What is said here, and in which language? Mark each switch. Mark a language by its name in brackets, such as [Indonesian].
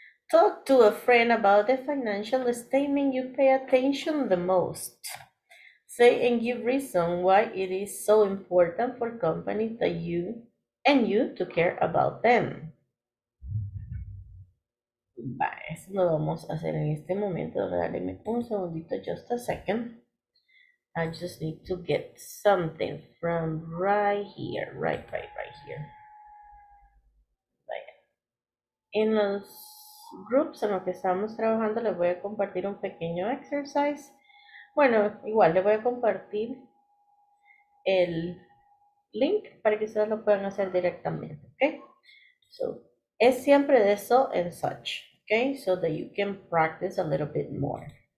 [English] Talk to a friend about the financial statement you pay attention to the most. Say and give reason why it is so important for companies that you and you to care about them. Bye. [Spanish] Eso lo vamos a hacer en este momento. Dale un segundito, [English] just a second. I just need to get something from right here, right here. Bye. [Spanish] In los groups en los que estamos trabajando, les voy a compartir un pequeño exercise. Bueno, igual les voy a compartir el link para que ustedes lo puedan hacer directamente, okay? So, es siempre de so and such, okay? [English] So that you can practice a little bit more.